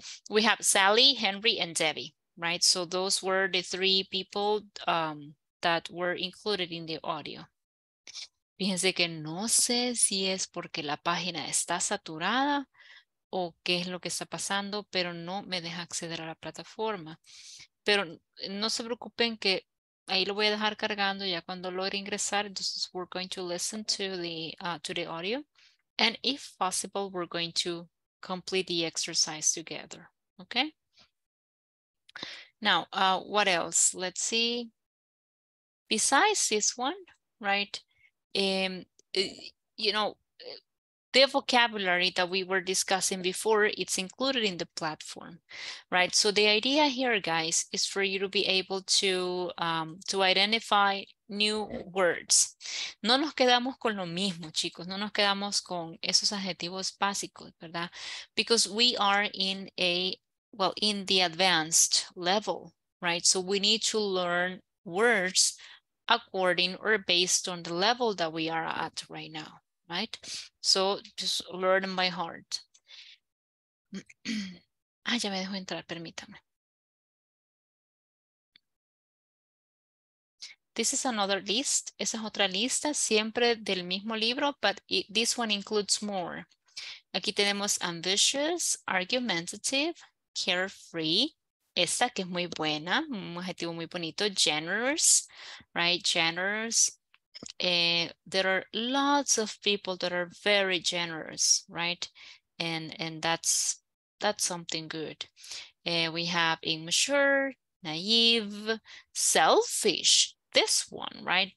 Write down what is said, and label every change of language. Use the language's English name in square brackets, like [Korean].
[English] We have Sally, Henry, and Debbie, right? So those were the three people that were included in the audio. [Spanish] Fíjense que no sé si es porque la página está saturada o qué es lo que está pasando, pero no me deja acceder a la plataforma. Pero no se preocupen que ahí lo voy a dejar cargando ya cuando logre ingresar. Entonces, [English] we're going to listen to the audio And if possible, we're going to complete the exercise together, okay? Now, what else? Let's see. Besides this one, right? You know, the vocabulary that we were discussing before, it's included in the platform, right? So the idea here, guys, is for you to be able to identify new words. [Spanish] No nos quedamos con lo mismo, chicos. No nos quedamos con esos adjetivos básicos, ¿verdad? [English] Because we are in a, well, in the advanced level, right? So we need to learn words according or based on the level that we are at right now, right? So just learn them by heart. [Spanish] Ah, ya me dejó entrar, permítame. [English] This is another list. [Spanish] Esa es otra lista, siempre del mismo libro, [English] but this one includes more. [Spanish] Aquí tenemos ambitious, argumentative, carefree. Esta que es muy buena, un adjetivo muy bonito. [English] Generous, right? Generous. There are lots of people that are very generous, right? And that's something good. We have immature, naive, selfish. This one, right?